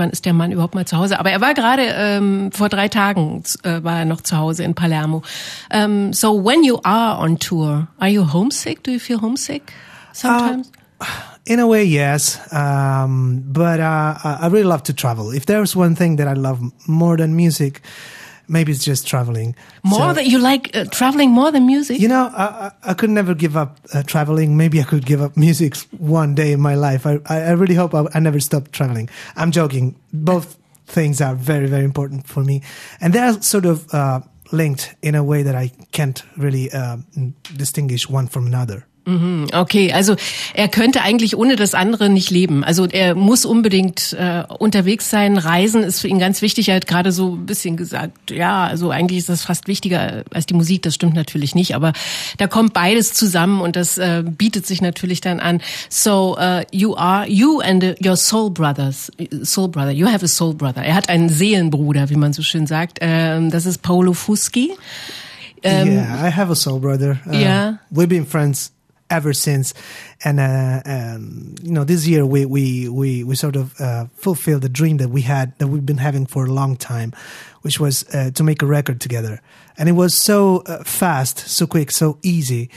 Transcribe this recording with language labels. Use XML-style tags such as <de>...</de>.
<de>Wann ist der Mann überhaupt mal zu Hause? Aber er war gerade vor 3 Tagen war er noch zu Hause in Palermo.</de> <en>So, when you are on tour, are you homesick? Do you feel homesick sometimes? In a way, yes. But I really love to travel. If there's one thing that I love more than music. Maybe it's just traveling. You like traveling more than music? You know, I could never give up traveling. Maybe I could give up music one day in my life. I really hope I never stop traveling. I'm joking. Both things are very, very important for me. And they're sort of linked in a way that I can't really distinguish one from another.</en> <de>Okay, also er könnte eigentlich ohne das andere nicht leben. Also er muss unbedingt unterwegs sein. Reisen ist für ihn ganz wichtig. Er hat gerade so ein bisschen gesagt, ja, also eigentlich ist das fast wichtiger als die Musik. Das stimmt natürlich nicht, aber da kommt beides zusammen und das bietet sich natürlich dann an.</de> <en>So you and your soul brother. You have a soul brother.</en> <de>Er hat einen Seelenbruder, wie man so schön sagt. Das ist Paolo Fuschi.</de> <en>Yeah, I have a soul brother. We've been friends ever since, and you know, this year we sort of fulfilled the dream that we had, that we've been having for a long time, which was to make a record together. And it was so fast, so quick, so easy.</en>